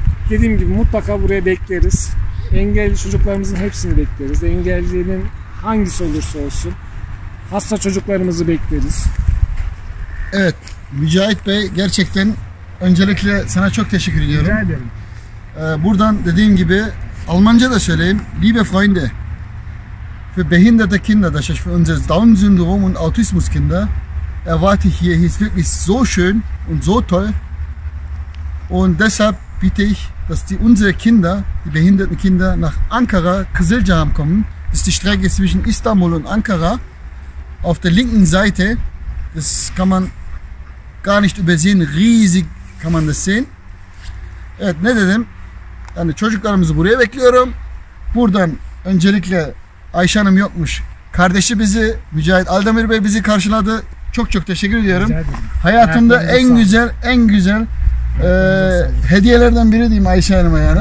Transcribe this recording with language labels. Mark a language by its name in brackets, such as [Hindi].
[Turkish] Dediğim gibi mutlaka buraya bekleriz. Engelli çocuklarımızın hepsini bekleriz. Engellinin hangisi olursa olsun. Hasta çocuklarımızı bekleriz. Evet, Mücahit Bey, gerçekten öncelikle sana çok teşekkür ediyorum. Rica ederim. Buradan dediğim gibi Almanca da söyleyeyim. [German] Liebe Freunde. Für behinderte Kinder, das ist für unser Down-Syndrom und Autismus-Kinder. Erwarte ich hier, hier ist wirklich so schön und so toll. Und deshalb bitte ich, dass die unsere Kinder, die behinderten Kinder, nach Ankara, Kızılcahamam kommen. Das ist die Strecke zwischen Istanbul und Ankara. Auf der linken Seite, das kann man gar nicht übersehen, riesig kann man das sehen. [Turkish] Evet, ne dedim? Yani çocuklarımızı buraya bekliyorum. Buradan öncelikle Ayşe Hanım yokmuş. Kardeşi bizi, Mücahit Aldemir Bey bizi karşıladı. Çok çok teşekkür ediyorum. Hayatımda en güzel hediyelerden biri diyeyim Ayşe Hanım'a yani.